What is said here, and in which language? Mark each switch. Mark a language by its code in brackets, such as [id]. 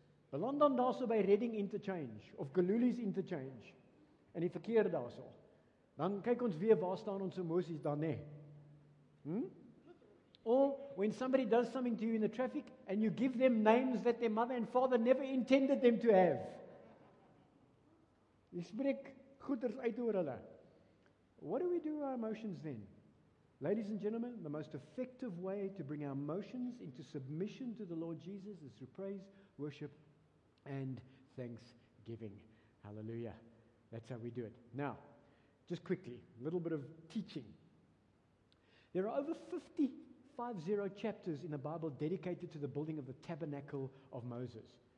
[af] Beland dan daar so by Reading Interchange, of Galulis Interchange, in die verkeer daar so. Dan kyk ons weer, waar staan ons emoties dan nie. [en] Or, when somebody does something to you in the traffic, and you give them names that their mother and father never intended them to have. [af] Jy spreek goeders uit oor hulle. [en] What do we do with our emotions then? Ladies and gentlemen, the most effective way to bring our emotions into submission to the Lord Jesus is through praise, worship, and thanksgiving. Hallelujah. That's how we do it. Now, just quickly, a little bit of teaching. There are over 50 chapters in the Bible dedicated to the building of the tabernacle of Moses.